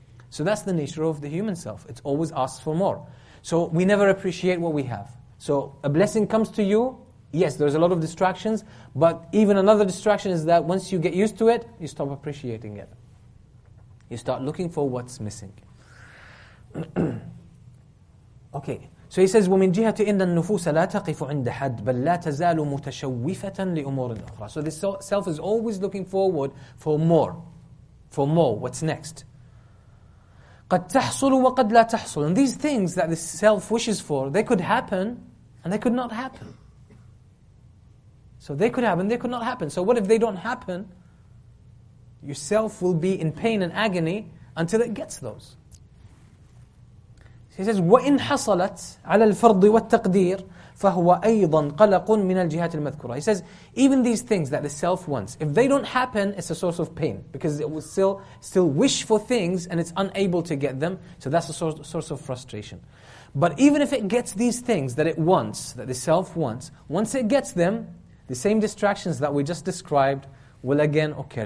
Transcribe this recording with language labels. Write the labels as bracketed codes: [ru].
[en] So that's the nature of the human self. It always asks for more. So we never appreciate what we have. So a blessing comes to you, yes, there's a lot of distractions, but even another distraction is that once you get used to it, you stop appreciating it. You start looking for what's missing. Okay, so he says, [ar] وَمِن جِهَةِ إِنَّ النُّفُوسَ لَا تَقِفُ عِنْدَ حَدْ بَلْ لَا تَزَالُ مُتَشَوِّفَةً لِأُمُورٍ أُخْرَى. [en] So this self is always looking forward for more, what's next. [ar] قَدْ تَحْصُلُ وَقَدْ لَا تَحْصُلُ. [en] And these things that the self wishes for, they could happen and they could not happen. So they could happen, they could not happen. So what if they don't happen? Yourself will be in pain and agony until it gets those. So he says, [ar] وَإِنْ حَصَلَتْ عَلَى الْفَرْضِ وَالتَّقْدِيرِ فَهُوَ أَيْضًا قَلَقٌ مِنَ الْجِهَاتِ الْمَذْكُرَةِ. [en] He says, even these things that the self wants, if they don't happen, it's a source of pain because it will still wish for things and it's unable to get them. So that's a source of frustration. But even if it gets these things that it wants, that the self wants, once it gets them, the same distractions that we just described will again occur.